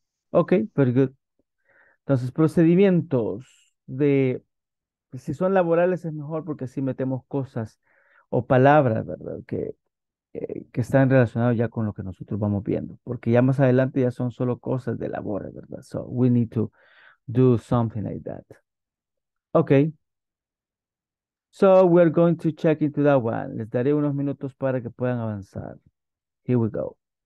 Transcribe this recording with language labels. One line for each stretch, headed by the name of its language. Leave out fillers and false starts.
English: Ok, very good.
Spanish: Entonces, procedimientos de... Si son laborales es mejor porque así metemos cosas o palabras, ¿verdad? Que están relacionadas ya con lo que nosotros vamos viendo. Porque ya más adelante ya son solo cosas de labores, ¿verdad?
English: So, we need to do something like that. Ok. So, we're going to check into that one.
Spanish: Les daré unos minutos para que puedan avanzar.
English: Here we go.